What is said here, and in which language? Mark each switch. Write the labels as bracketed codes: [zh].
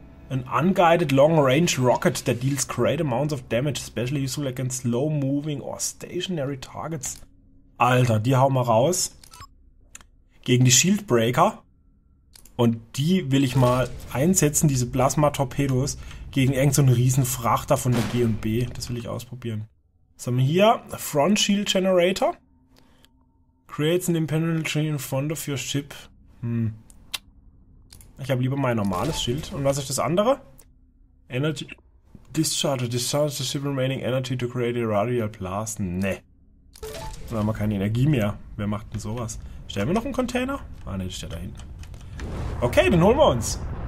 [en] An unguided long-range rocket that deals great amounts of damage, especially useful against slow-moving or stationary targets. [de] Alter, die hauen wir raus. Gegen die Shieldbreaker. Und die will ich mal einsetzen, diese Plasma-Torpedos, gegen irgendeinen riesen Frachter von der G&B. Das will ich ausprobieren. Was haben wir hier? Front Shield Generator. [en] Creates an impenetrable shield in front of your ship. [de] Ich habe lieber mein normales Schild. Und was ist das andere? Energy Discharge. [en] Discharge the ship remaining energy to create a radial blast. Ne. [de] Dann haben wir keine Energie mehr. Wer macht denn sowas? Stellen wir noch einen Container? Ah, ne, steht da hinten. Okay, den holen wir uns.